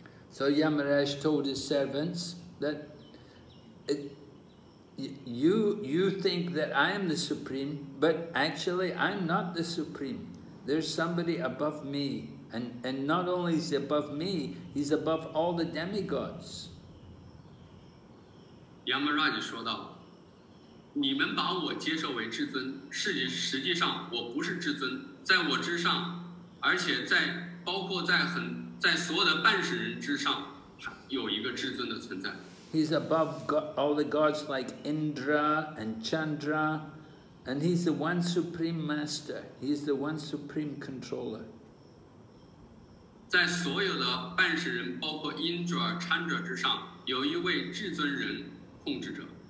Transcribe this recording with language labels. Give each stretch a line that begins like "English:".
English: So Yamaraj told his servants that you think that I am the supreme, but actually I'm not the supreme. There's somebody above me, and not only is he above me, he's above all the demigods.
Chinese: Yamaraj 说道，你们把我接受为至尊，实际上我不是至尊，在我之上，而且在包括在所有的半世人之上，有一个至尊的存在。
English: He's above all the gods like Indra and Chandra, and he's the one supreme master. He's the one supreme controller.
Chinese: 在所有的半世人，包括 Indra、Chandra 之上，有一位至尊人控制者。